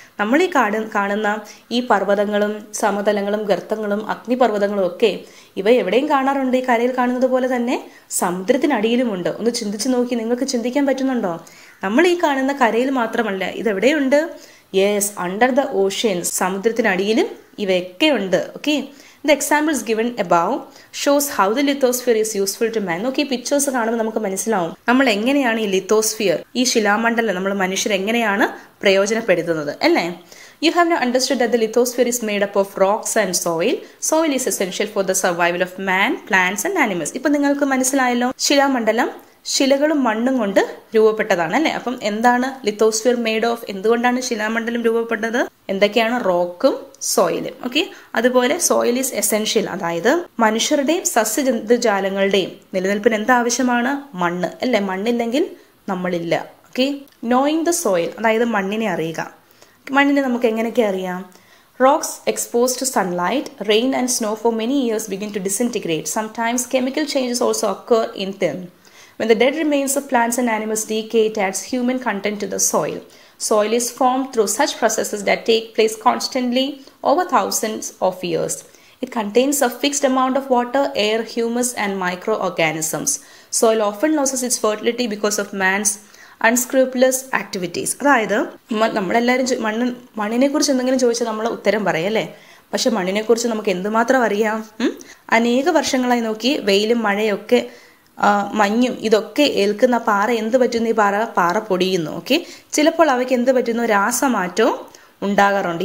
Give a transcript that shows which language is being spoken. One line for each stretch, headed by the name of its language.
Malayalam: നമ്മൾ ഈ കാണുന്ന ഈ പർവ്വതങ്ങളും സമതലങ്ങളും ഗർത്തങ്ങളും അഗ്നിപർവ്വതങ്ങളും ഒക്കെ ഇവ എവിടെയും കാണാറുണ്ട്, ഈ കരയിൽ കാണുന്നത് പോലെ തന്നെ സമുദ്രത്തിനടിയിലുമുണ്ട്. ഒന്ന് ചിന്തിച്ച് നോക്കി, നിങ്ങൾക്ക് ചിന്തിക്കാൻ പറ്റുന്നുണ്ടോ, നമ്മൾ ഈ കാണുന്ന കരയിൽ മാത്രമല്ല ഇതെവിടെയുണ്ട്,
English: yes under the oceans,
Malayalam: സമുദ്രത്തിനടിയിലും ഇവയൊക്കെ ഉണ്ട്. Okay,
English: The examples given above shows how the lithosphere is useful to man.
Malayalam: Okay, pictures കാണുമ്പോൾ നമുക്ക് മനസ്സിലാവും നമ്മൾ എങ്ങനെയാണ് ഈ ലിത്തോസ്ഫിയർ ഈ ശിലാമണ്ഡലം നമ്മൾ മനുഷ്യർ എങ്ങനെയാണ് പ്രയോജനപ്പെടുത്തുന്നത് അല്ലേ.
English: You have no understood that the lithosphere is made up of rocks and soil. Soil is essential for the survival of man, plants and animals.
Malayalam: ഇപ്പൊ നിങ്ങൾക്ക് മനസ്സിലായല്ലോ ശിലാമണ്ഡലം ശിലകളും മണ്ണും കൊണ്ട് രൂപപ്പെട്ടതാണ് അല്ലേ. അപ്പം എന്താണ്
English: lithosphere made of,
Malayalam: എന്തുകൊണ്ടാണ് ശിലാമണ്ഡലം രൂപപ്പെട്ടത്, എന്തൊക്കെയാണ് റോക്കും സോയിലും. ഓക്കെ, അതുപോലെ
English: soil is essential,
Malayalam: അതായത് മനുഷ്യരുടെയും സസ്യജന്തുജാലങ്ങളുടെയും നിലനിൽപ്പിന് എന്താവശ്യമാണ്, മണ്ണ് അല്ലേ. മണ്ണില്ലെങ്കിൽ നമ്മളില്ല. ഓക്കെ,
English: knowing the soil,
Malayalam: അതായത് മണ്ണിനെ അറിയുക. മണ്ണിനെ നമുക്ക് എങ്ങനെയൊക്കെ അറിയാം?
English: Rocks exposed to sunlight, rain and snow for many years begin to disintegrate. Sometimes chemical changes also occur in them. When the dead remains of plants and animals decay, it adds human content to the soil. Soil is formed through such processes that take place constantly over thousands of years. It contains a fixed amount of water, air, humus and microorganisms. Soil often loses its fertility because of man's unscrupulous activities.
Malayalam: അതായത് നമ്മളെല്ലാവരും മണ്ണ് മണ്ണിനെ കുറിച്ച് എന്തെങ്കിലും ചോദിച്ചാൽ നമ്മൾ ഉത്തരം പറയല്ലേ, പക്ഷെ മണ്ണിനെ കുറിച്ച് നമുക്ക് എന്തുമാത്രം അറിയാം? അനേക വർഷങ്ങളായി നോക്കി വെയിലും മഴയൊക്കെ മഞ്ഞും ഇതൊക്കെ ഏൽക്കുന്ന പാറ എന്ത് പറ്റുന്നു, ഈ പാറ പൊടിയുന്നു. ഓക്കെ, ചിലപ്പോൾ അവയ്ക്ക് എന്ത് പറ്റുന്നു, രാസമാറ്റവും ഉണ്ടാകാറുണ്ട്.